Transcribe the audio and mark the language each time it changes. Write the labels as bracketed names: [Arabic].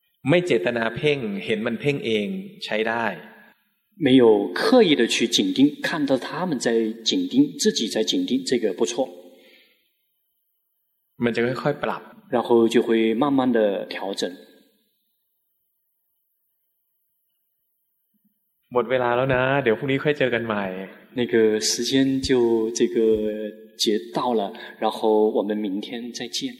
[Thai] ไม่เจตนาเพ่งเห็นมันเพ่งเองใช้ได้ [Chinese] 没有刻意的去紧盯看到他们在紧盯自己在紧盯这个不错 [Thai] มันจะค่อยๆปรับ [Chinese] 然后就会慢慢的调整 [Thai] หมดเวลาแล้วนะเดี๋ยวพรุ่งนี้ค่อยเจอกันใหม่ [Chinese] 那个时间就这个结到了然后我们明天再见